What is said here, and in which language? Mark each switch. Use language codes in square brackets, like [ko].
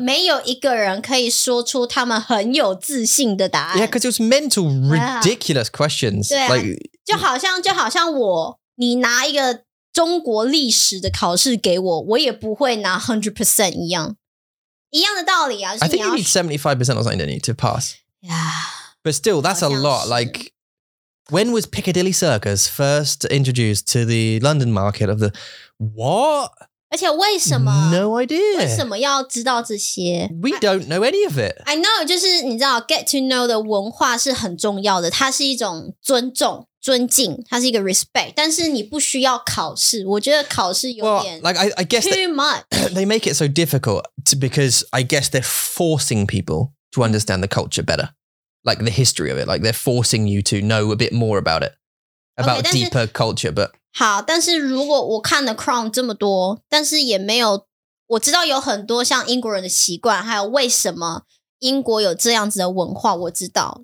[zh] 没有一个人可以说出他们很有自信的答案。 [en] Yeah, because it was mental ridiculous questions. [zh] 对啊, like, 就好像我, 你拿一个中国历史的考试给我, 我也不会拿100%一样。一样的道理啊, 就是你要, [en] I think you need 75% or something to pass. Yeah. But still, that's a lot. Like, when was Piccadilly Circus first introduced to the London market of the... What? [zh] 而且为什么, [en] no idea. [zh] 为什么要知道这些? [en] We don't know any of it. [zh] I know, 就是你知道, [en] get to know [zh] 的文化是很重要的, 它是一种尊重, 尊敬, 它是一个 respect, 但是你不需要考试, 我觉得考试有点 [en] well, like, I guess too much. They make it so difficult to, because I guess they're forcing people to understand the culture better. Like the history of it, like they're forcing you to know a bit more about it, about okay, deeper culture, but... [zh] 好,但是如果我看了Crown这么多, 但是也没有,我知道有很多像英国人的习惯, 还有为什么英国有这样子的文化, 我知道,